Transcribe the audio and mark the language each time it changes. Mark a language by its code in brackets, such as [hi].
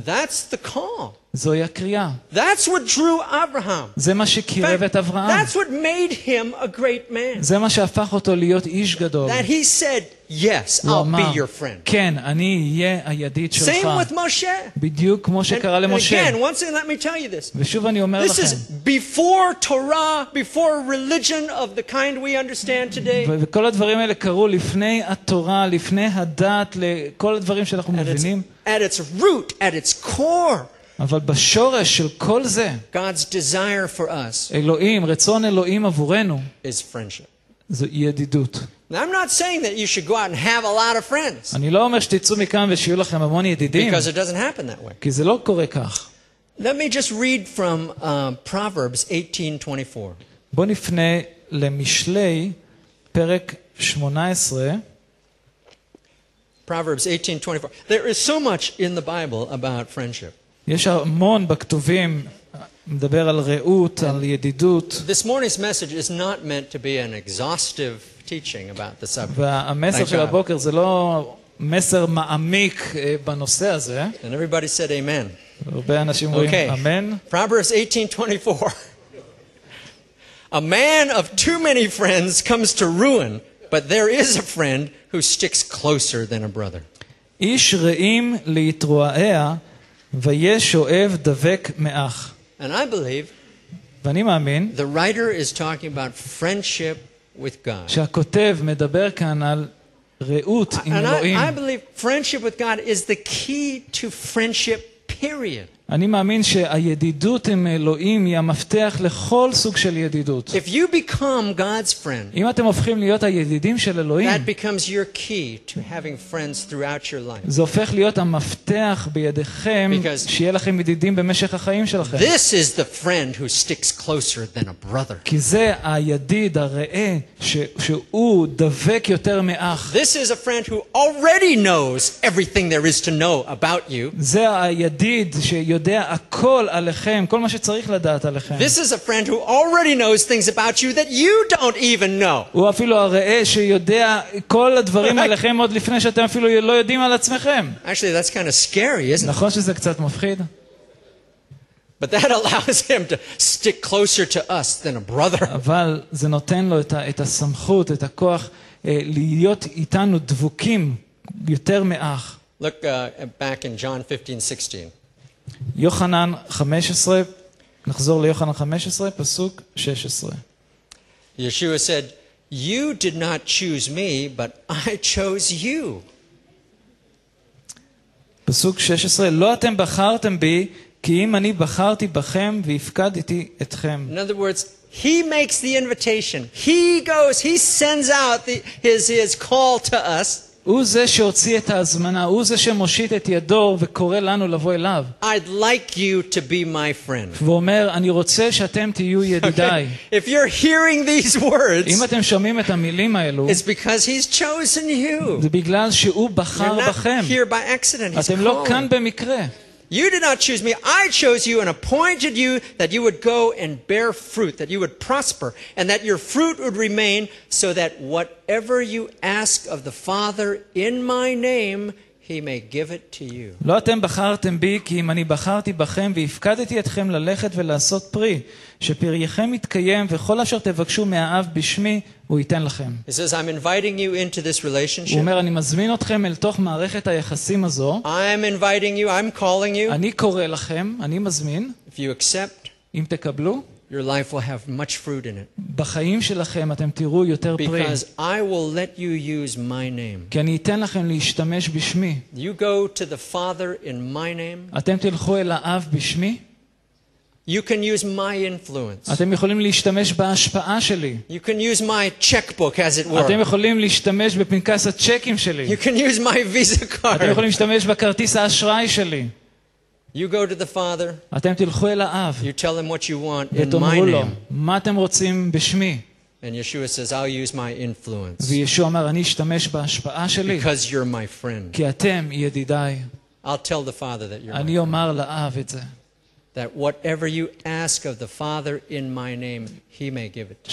[en] That's the call. [he] זוהי הקריאה. [en] That's what drew Abraham. [he] זה מה שקירב את אברהם. [en] That's what made him a great man. [he] זה מה שהפך אותו להיות איש גדול. [en] That he said, "Yes, I'll be your friend." [he] כן, אני אהיה הידיד שלך. [en] Same with Moshe. [he] בדיוק כמו שקרה למשה. [en] Again, once again, let me tell you this. [he] ושוב אני אומר לכם. [en] This is before Torah, before religion of the kind we understand today. [he] וכל הדברים האלה קרו לפני התורה, לפני הדת, לכל הדברים שאנחנו מבינים. [en] At its root, at its core. [he] אבל בשורש של כל זה, [en] God's desire for us, [he] אלוהים, רצון אלוהים עבורנו, [en] is friendship. [he] זו ידידות. [en] Now, I'm not saying that you should go out and have a lot of friends. [he] אני לא אומר שתצאו מכאן ושיהיו לכם המון ידידים. [en] Because it doesn't happen that way. [he] כי זה לא קורה כך. [en] Let me just read from Proverbs 18:24. [he] בוא נפנה למשלי פרק 18. [en] Proverbs 18:24. There is so much in the Bible about friendship. [he] יש המון בכתובים מדבר על רעות, על ידידות. [en] This morning's message is not meant to be an exhaustive teaching about the subject. [he] והמסר של הבוקר זה לא מסר מעמיק בנושא הזה. [en] And everybody said amen. [he] הרבה אנשים אומרים אמן. [en] Proverbs 18:24. A man of too many friends comes to ruin. But there is a friend who sticks closer than a brother. [he] איש רעים להתרועעיה ויש אוהב דבק מאח. [en] And I believe, [he] ואני מאמין, [en] the writer is talking about friendship with God. [he] שהכותב מדבר כאן על רעות עם אלוהים. [en] And I believe friendship with God is the key to friendship, period. [he] אני מאמין שהידידות עם אלוהים היא המפתח לכל סוג של ידידות. [en] If you become God's friend, [he] אם אתם הופכים להיות הידידים של אלוהים, [en] that becomes your key to having friends throughout your life. [he] זה הופך להיות המפתח בידיכם שיהיה לכם ידידים במשך החיים שלכם. [en] This is the friend who sticks closer than a brother. [he] כי זה הידיד הרעה שהוא דבק יותר מאח. [en] This is a friend who already knows everything there is to know about you. [he] זה הידיד ש יודע הכל עליכם, כל מה שצריך לדעת עליכם. [en] This is a friend who already knows things about you that you don't even know. [he] הוא אפילו הראה שיודע כל הדברים עליכם עוד לפני שאתם אפילו לא יודעים על עצמכם. [en] Actually, that's kind of scary, isn't it? [he] נכון שזה קצת מפחיד. [en] But that allows him to stick closer to us than a brother. [he] אבל זה נותן לו את הסמכות, את הכוח להיות איתנו דבוקים יותר מאח. [en] Look back in John 15:16. [he] יוחנן 15, נחזור ליוחנן 15, פסוק 16. [en] Yeshua said, "You did not choose me, but I chose you." [he] פסוק 16, "לא אתם בחרתם בי, כי אם אני בחרתי בכם והפקדתי אתכם." [en] In other words, he makes the invitation. He goes, he sends out his call to us. [he] הוא זה שהוציא את ההזמנה, הוא זה שמושיט את ידו וקורא לנו לבוא אליו. [en] I'd like you to be my friend. [he] והוא אומר, אני רוצה שאתם תהיו ידידיי. [en] If you're hearing these words, [he] אם אתם שומעים את המילים האלו, [en] it's because he's chosen you. [he] זה בגלל שהוא בחר בכם. [en] You're not here by accident. [he] אתם לא כאן במקרה. [en] You did not choose me, I chose you and appointed you that you would go and bear fruit, that you would prosper, and that your fruit would remain, so that whatever you ask of the Father in my name, he may give it to you. [he] לא אתם בחרתם בי, כי אם אני בחרתי בכם והפקדתי אתכם ללכת ולעשות פרי, שפרייכם יתקיים וכל אשר תבקשו מהאב בשמי, הוא ייתן לכם. [en] He says, I'm inviting you into this relationship. [he] הוא אומר, אני מזמין אתכם אל תוך מערכת היחסים הזו. [en] I'm inviting you, I'm calling you. [he] אני קורא לכם, אני מזמין. [en] If you accept, [he] אם תקבלו, [en] your life will have much fruit in it. [he] בחיים שלכם אתם תראו יותר פרי. [en] Because I will let you use my name. [he] כי אני אתן לכם להשתמש בשמי. [en] You go to the Father in my name. [he] אתם תלכו אל האב בשמי. [en] You can use my influence. [he] אתם יכולים להשתמש בהשפעה שלי. [en] You can use my checkbook as it were. [he] אתם יכולים להשתמש בפנקס הצ'קים שלי. [en] You can use my Visa card. [he] אתם יכולים להשתמש בכרטיס האשראי שלי. [en] You go to the Father. [he] אתם תלכו אל האב. [en] You tell him what you want in my name. [he] מה אתם רוצים בשמי? [en] And Yeshua says, I'll use my influence. [he] וישוע אמר, אני אשתמש בהשפעה שלי. [en] Because you're my friend. [he] כי אתם ידידיי. [en] I'll tell the Father that you're [he] אני אומר לאב את זה. [en] That whatever you ask of the Father in my name, he may give it to you.